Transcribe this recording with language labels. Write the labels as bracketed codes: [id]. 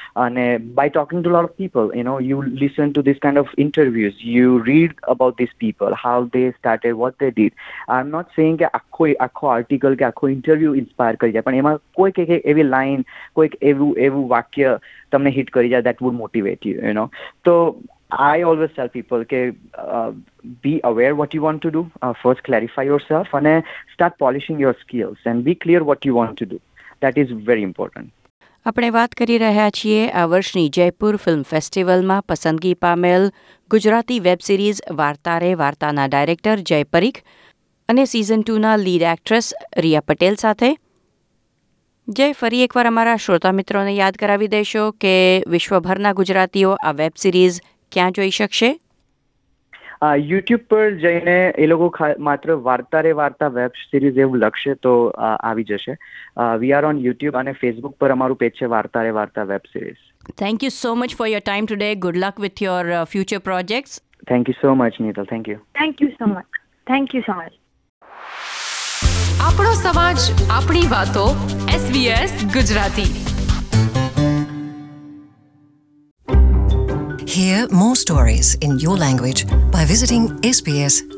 [en] અને by talking to lot of people, you know, you listen to this kind of interviews, you read about this people, how they started, what they did. I am not saying [gu] કે આખો article કે આખો interview inspire કરી જાય, પણ એમાં કોઈક એક એવી લાઇન, કોઈક એવું વાક્ય તમને હિટ કરી જાય [en] That would motivate you, you know. તો I always tell people ke be aware what you want to do, first clarify yourself and start polishing your skills and be clear what you want to do. That is very important. [gu] આપણે વાત કરી રહ્યા છીએ આ વર્ષની Jaipur film ફેસ્ટિવલમાં પસંદગી પામેલ ગુજરાતી વેબ સિરીઝ વાર્તા રે વાર્તાના ડાયરેક્ટર જય પરીખ અને સીઝન 2 ના લીડ એક્ટ્રેસ રિયા પટેલ સાથે. જય, ફરી એકવાર અમારા શ્રોતા મિત્રોને યાદ કરાવી દેશો કે વિશ્વભરના ગુજરાતીઓ આ વેબ સિરીઝ ક્યાં જોઈ શકશે? યુટ્યુબ પર જઈને એ લોકો માત્ર વાર્તા રે વાર્તા વેબ સિરીઝ એવું લખશે તો આવી જશે. [en] we are on YouTube [gu] અને ફેસબુક પર અમારું પેજ છે વાર્તા રે વાર્તા web series. [en] Thank you so much for your time today. Good luck with your future projects. Thank you so much Nital. Thank you. Thank you so much. Thank you so much. [gu] આપણો સમાજ, આપણી વાતો, SBS Gujarati. [en] Hear more stories in your language by visiting sbs.com.au.